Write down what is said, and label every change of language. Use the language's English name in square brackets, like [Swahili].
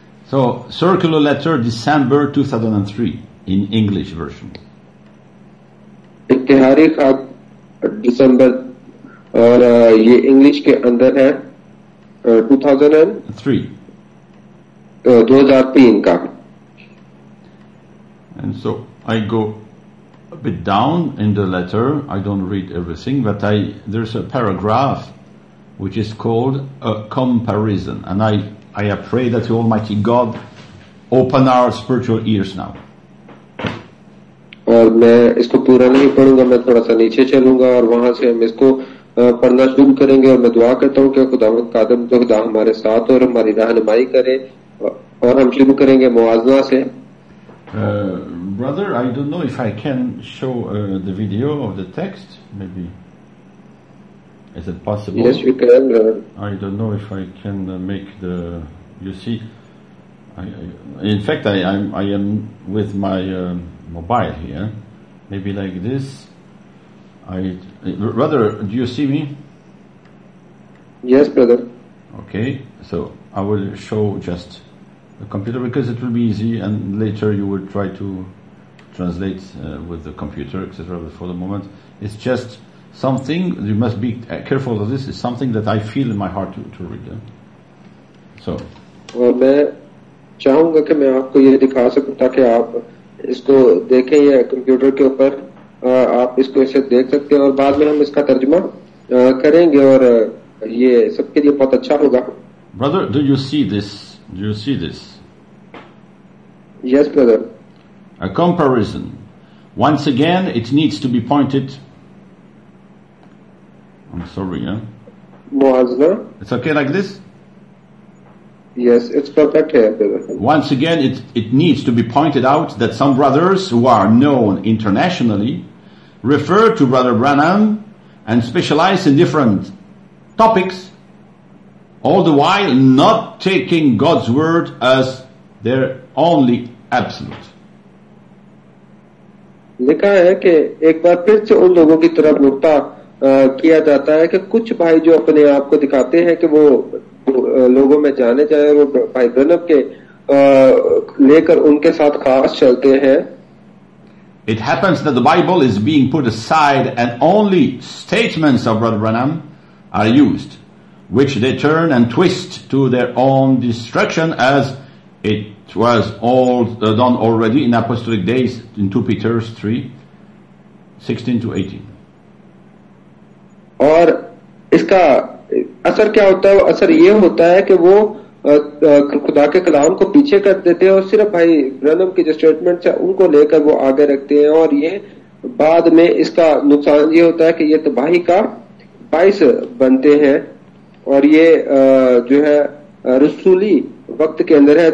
[English] So, circular letter, December 2003, in English version. [Hindi] इत्तेहारी खत December, और ये English के अंदर है 2003 का. [English] And so, I go a bit down in the letter, I don't read everything, but there's a paragraph which is called a comparison, and I pray that the Almighty God open our spiritual ears now. [Hindi] और मैं इसको पूरा नहीं पढ़ूंगा, मैं थोड़ा सा नीचे चलूंगा और वहां से हम इसको पढ़ना शुरू करेंगे. और मैं दुआ करता हूँ कि खुदावंद कादम जो खुदा हमारे साथ और हमारी रहनुमाई करे, और हम शुरू करेंगे मुआजना से. [English] Brother, I don't know if I can show the video of the text, maybe. Is it possible? Yes, you can. I don't know if I can make the... You see, I am with my mobile here. Maybe like this. Brother, do you see me? Yes, brother. Okay, so I will show just the computer because it will be easy, and later you will try to translate with the computer, etc. But for the moment, it's just... Something, you must be careful of this, is something that I feel in my heart to read. So. [Hindi] मैं चाहूंगा कि मैं आपको ये दिखा सकूं ताकि आप इसको देखें या कंप्यूटर के ऊपर आप इसको ऐसे देख सकते हैं और बाद में हम इसका तर्जमा करेंगे और ये सबके लिए बहुत अच्छा होगा. [English] Brother, do you see this? Do you see this? Yes, brother. A comparison. Once again, it needs to be pointed. I'm sorry, yeah? [Hindi] Muazna. [English] It's okay like this? Yes, it's perfect here, brother. Once again, it needs to be pointed out that some brothers who are known internationally refer to Brother Branham and specialize in different topics, all the while not taking God's word as their only absolute. [Hindi] लिखा है कि एक बार फिर से उन लोगों की तरफ नुक्ता किया जाता है कि कुछ भाई जो अपने आप को दिखाते हैं कि वो लोगों में जाने जाए वो भाई ब्रनम के लेकर उनके साथ खास चलते हैं. [English] It happens that the Bible is being put aside and only statements of Brother Branham are used, which they turn and twist to their own destruction, as it was all done already in apostolic days in 2 Peter 3:16-18. [Hindi] और इसका असर क्या होता है? असर ये होता है कि वो खुदा के कलाम को पीछे कर देते हैं और सिर्फ भाई ब्रनम के जो स्टेटमेंट है उनको लेकर वो आगे रखते हैं, और ये बाद में इसका नुकसान ये होता है कि ये तबाही का बाइस बनते हैं, और ये जो है रसूली वक्त के अंदर है.